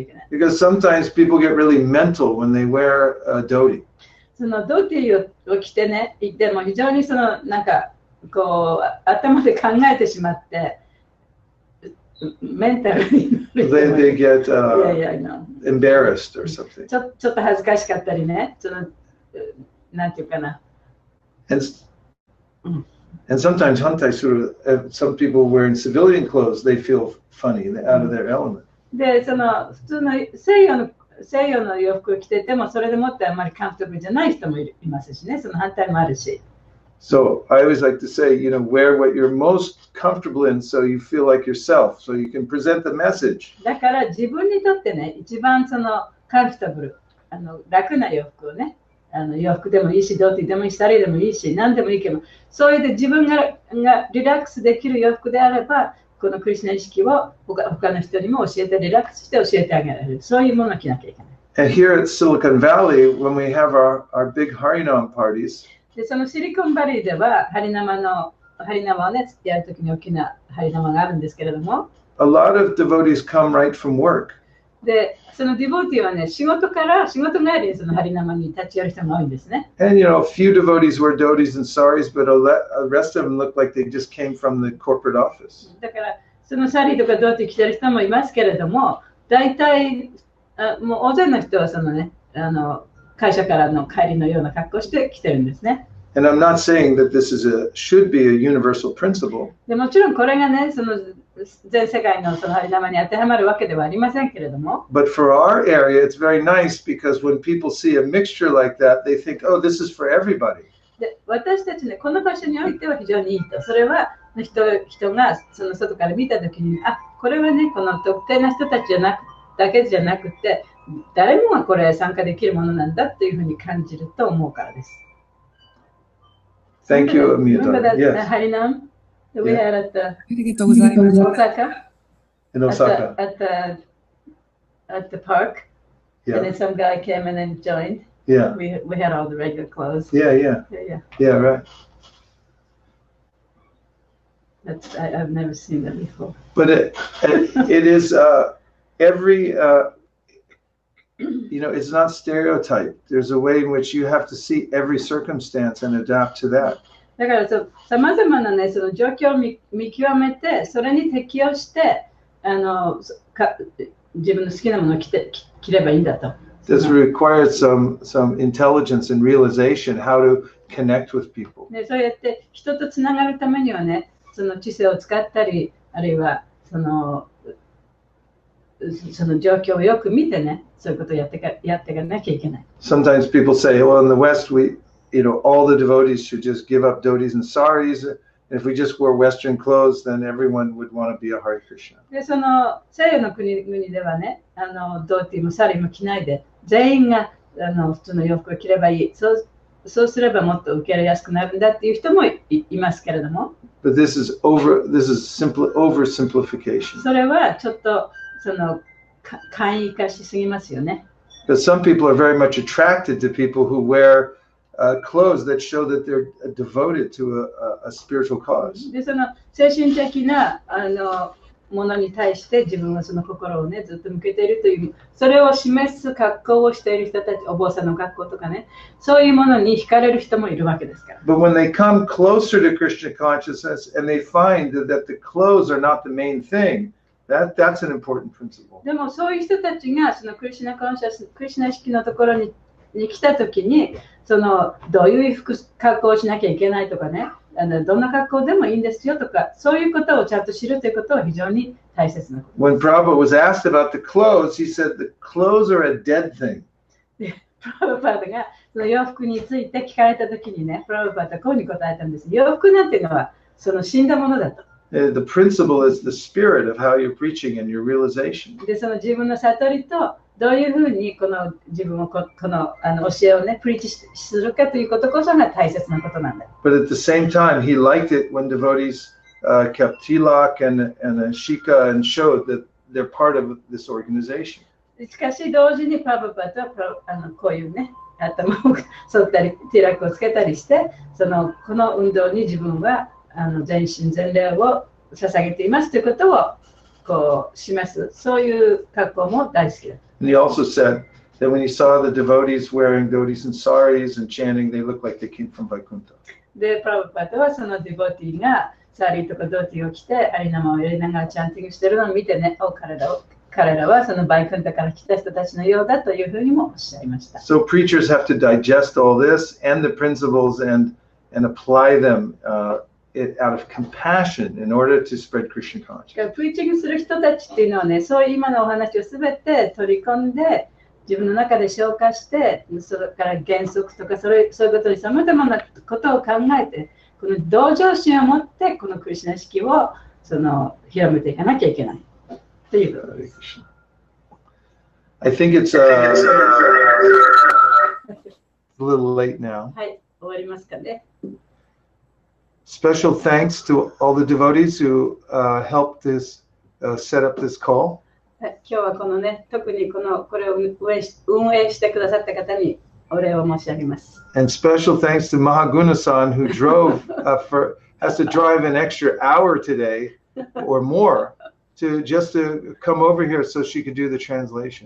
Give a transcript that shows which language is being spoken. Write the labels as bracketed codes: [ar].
[en] Because sometimes people get really mental when they wear a dhoti. [ja] そのドーティを着てね、でも非常にそのなんかこう頭で考えてしまってメンタルになる。 [en] Then they get embarrassed or something. [ja] ちょっと恥ずかしかったりね。そのなんていうかな。 [en] And sometimes hantai sort of some people wearing civilian clothes they feel funny out of their element. [ja] でその普通の西洋の洋服を着ててもそれでもってあんまりカンフォーブルじゃない人もいますしね。その反対もあるし。 [en] So I always like to say, you know, wear what you're most comfortable in so you feel like yourself, so you can present the message. [ja] だから自分にとってね、一番そのカンフタブル、楽な洋服をね、洋服でもいいし、ドーティでもいいし、サリーでもいいし、何でもいいけど、そういう自分 がリラックスできる洋服であれば、このクリスナ意識を他の人にも教えて、リラックスして教えてあげられる。そういうものを着なきゃいけない。 [en] And here at Silicon Valley, when we have our big Harinam parties, [ja] でそのシリコンバリーではハリナマをねやるときに大きなハリナマがあるんですけれども [en] A lot of devotees come right from work. [ja] でそのディボーティーはね仕事帰りにそのハリナマに立ち寄る人が多いんですね [en] And you know, a few devotees wear dhotis and saris, but the rest of them look like they just came from the corporate office. [ja] だからそのサリーとかドーティー着てる人もいますけれども大体もう大勢の人はそのね会社からの帰りのような格好して来てるんですね。 [en] And I'm not saying that this is a, should be a universal principle. [ja] でもちろんこれがね、その全世界のそのハリナマに当てはまるわけではありませんけれども。 [en] But for our area, it's very nice because when people see a mixture like that, they think, oh, this is for everybody. [ja] で私たちね、この場所においては非常にいいと。それは人がその外から見たときに、あ、これはね、この特定な人たちじゃなくだけじゃなくて、誰もがこれ参加できるものなんだというふうに感じると思うからです。 [en] Thank you, Amita. Yes. ハリナム、we are at the Osaka. In Osaka. At the park. Yeah. And then some guy came in and joined. Yeah. We had all the regular clothes. Yeah. Right. I've never seen that before. But it is every. You know, it's not stereotype. There's a way in which you have to see every circumstance and adapt to that. [ja] だからそう、さまざまなね、その状況を見極めて、それに適応して、自分の好きなものを着ればいいんだと。 [en] This requires some intelligence and realization how to connect with people. [ja] ね、そうやって人とつながるためにはね、その知性を使ったり、あるいはその状況をよく見てね、そういうことをやっていかなきゃいけない。 [en] Sometimes people say, well, in the West, we, you know, all the devotees should just give up dhotis and saris If we just wore Western clothes, then everyone would want to be a Hare Krishna. [ja] で、その西洋の国々ではね、あのドーティもサリも着ないで、全員があの普通の洋服を着ればいい。そうすればもっと受け入れやすくなるんだっていう人も いますけれども。 [en] But this is over. This is simple oversimplification. [ja] それはちょっとその簡易化しすぎますよね。 [en] But some people are very much attracted to people who wear clothes that show that they're devoted to a spiritual cause. [ja] で、その精神的なあのものに対して自分はその心をねずっと向けているという、それを示す格好をしている人たち、お坊さんの格好とかね、そういうものに惹かれる人もいるわけですから。 [en] But when they come closer to Krishna consciousness and they find that the clothes are not the main thing,That's an important principle. [ja] でもそういう人たちがそのクリシュナコンシャス、クリシュナ意識のところに来たときに、そのどういう服格好をしなきゃいけないとかね、あのどんな格好でもいいんですよとか、そういうことをちゃんと知るということは非常に大切なことです。 [en] When Prabhupada was asked about the clothes, he said the clothes are a dead thing. [ja] Prabhupada がその洋服について聞かれたときにね、Prabhupada はこうに答えたんです。洋服なんていうのはその死んだものだと。 [en] The principle is the spirit of how you're preaching and your realization. [ja] で、その自分の悟りとどういうふうにこの自分をこの、あの教えをね、プリーチするかということこそが大切なことなんだ。 [en] But at the same time, he liked it when devotees kept tilak and ashika and showed that they're part of this organization. [ja] しかし同時にパブパとあのこういうね、頭を剃ったり、ティラックをつけたりして、そのこの運動に自分はあの全身全霊を捧げていますということをこう示す、そういう格好も大好きだ。 [en] And he also said that when he saw the devotees wearing dhotis and saris and chanting, they looked like they came from Vaikuntha. [ja] で、プラブパトはそのディボティがサリとかドーティを着て、アリナマを入れながらチャンティングしてるのを見てね、お、彼らはそのバイクンタから来た人たちのようだというふうにもおっしゃいました。 [en] So preachers have to digest all this and the principles and apply them. It out of compassion in order to spread Krishna consciousness. [ja] プリーチングする人たちっていうのはね、そういう今のお話をすべて取り込んで、自分の中で消化して、それから原則とかそういうことにさまざまなことを考えて、この同情心を持って、このクリシナ式をその広めていかなきゃいけない。ということです。 [en] I think it's a little late now. [ja] はい、終わりますかね。 [en] Special thanks to all the devotees who helped this set up this call. [ja] 今日はこのね、特にこのこれを運営してくださった方にお礼を申し上げます。 [en] And special thanks to Mahaguna-san who drove has to drive an extra hour today or more to just to come over here so she could do the translation.